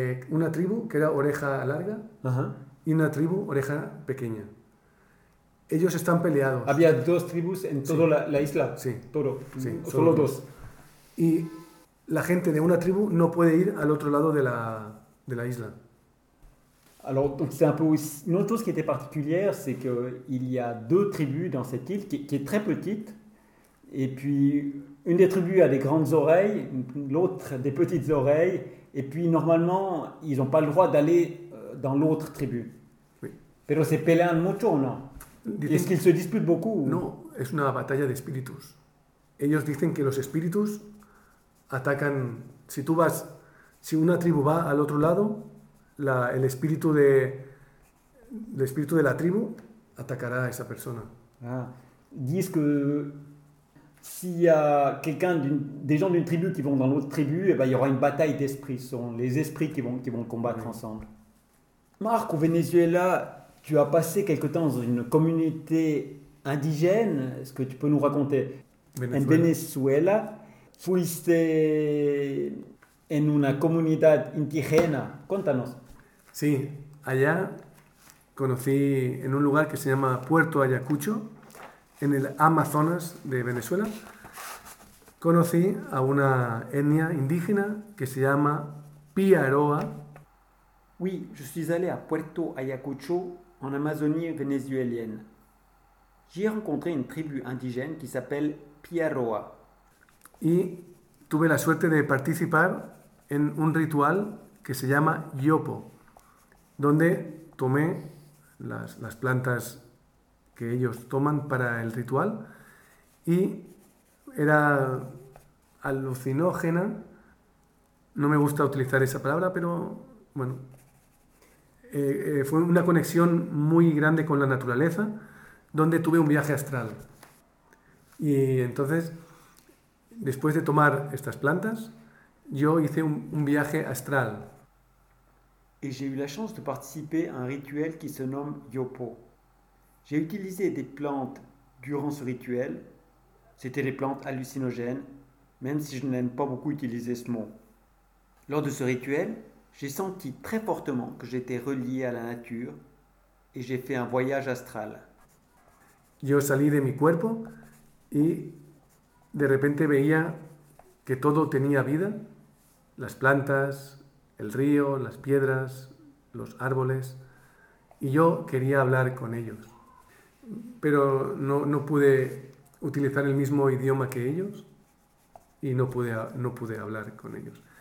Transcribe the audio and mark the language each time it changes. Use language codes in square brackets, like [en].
[es] Una tribu que era oreja larga y una tribu oreja pequeña. Ellos están peleados. Había dos tribus en toda la isla. Sí. Solo dos. Y la gente de una tribu no puede ir al otro lado de la isla. [fr] Alors, donc c'est un peu une autre chose qui était particulière, c'est que il y a deux tribus dans cette île qui est très petite. Et puis une des tribus a des grandes oreilles, l'autre des petites oreilles. Et puis, normalement, ils n'ont pas le droit d'aller dans l'autre tribu. Oui. [es] Pero se pelean mucho, ¿no? [fr] Est-ce qu'ils se disputent beaucoup? [es] Non, es una batalla de espíritus. Ellos dicen que los espíritus atacan... Si una tribu va al otro lado, el espíritu de la tribu atacará a esa persona. Ah. Dice que... [fr] S'il y a quelqu'un des gens d'une tribu qui vont dans l'autre tribu, et ben il y aura une bataille d'esprits. Ce sont les esprits qui vont combattre ensemble. Marc, au Venezuela, tu as passé quelque temps dans une communauté indigène. Est-ce que tu peux nous raconter? [es] En Venezuela, fuiste en una comunidad indígena. Cuéntanos. Sí, allá conocí en un lugar que se llama Puerto Ayacucho. En el Amazonas de Venezuela conocí a una etnia indígena que se llama Piaroa. [fr] Oui, je suis allé à Puerto Ayacucho en Amazonie vénézuélienne. J'y ai rencontré une tribu indigène qui s'appelle Piaroa. [es] Y tuve la suerte de participar en un ritual que se llama Yopo, donde tomé las plantas que ellos toman para el ritual, y era alucinógena, no me gusta utilizar esa palabra, pero bueno, fue una conexión muy grande con la naturaleza, donde tuve un viaje astral. Y entonces, después de tomar estas plantas, yo hice un viaje astral. [fr] Y j'ai eu la chance de participer a un ritual que se nomme Yopo. J'ai utilisé des plantes durant ce rituel. C'était des plantes hallucinogènes, même si je n'aime pas beaucoup utiliser ce mot. Lors de ce rituel, j'ai senti très fortement que j'étais relié à la nature et j'ai fait un voyage astral. [es] Yo salí de mi cuerpo y de repente veía que todo tenía vida, las plantas, el río, las piedras, los árboles, y yo quería hablar con ellos. Pero no pude utilizar el mismo idioma que ellos y no pude hablar con ellos.